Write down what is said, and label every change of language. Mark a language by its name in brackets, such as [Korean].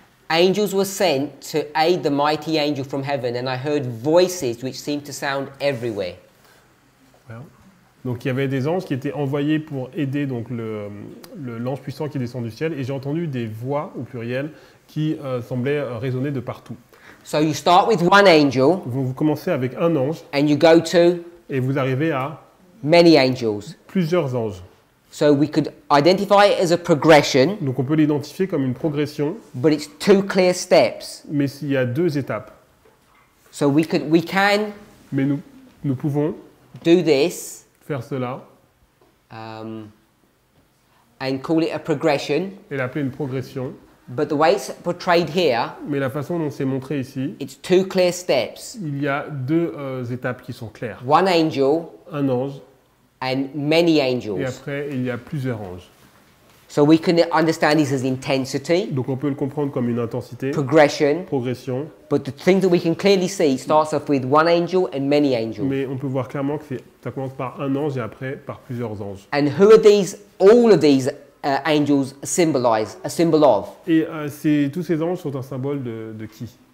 [English] Angels were sent to aid the mighty angel from heaven, and I heard voices which seemed to sound everywhere. [French] Well, donc il y avait des anges qui étaient envoyés pour aider donc le l'ange puissant qui descend du ciel, et j'ai entendu des voix au pluriel qui semblaient résonner de partout. [English] So you start with one angel. [French] Vous commencez avec un ange. [English] And you go to. [French] Et vous arrivez à. [English] Many angels. [French] Plusieurs anges. [English] So we could identify it as a progression. [French] Donc on peut l'identifier comme une progression. [English] But it's two clear steps. [French] Mais il y a deux étapes. [English] So we can. [French] Mais nous pouvons. [English] Do this. [French] Faire cela. [English] And call it a progression. [French] Et l'appeler une progression. [English] But the way it's portrayed here, [French] mais la façon dont c'est montré ici, [English] it's two clear steps. [French] Il y a deux étapes qui sont claires. [English] One angel, [French] un ange, [English] and many angels. [French] Et après, il y a plusieurs anges. [English] So we can understand this as intensity. [French] Donc on peut le comprendre comme une intensité. [English] Progression. [French] Progression. [English] But the thing that we can clearly see starts off with one angel and many angels. [French] Mais on peut voir clairement que ça commence par un ange et après par plusieurs anges. [English] And who are these? All of these angels symbolize a symbol of. [French] Et c'est tous ces anges sont un symbole de qui?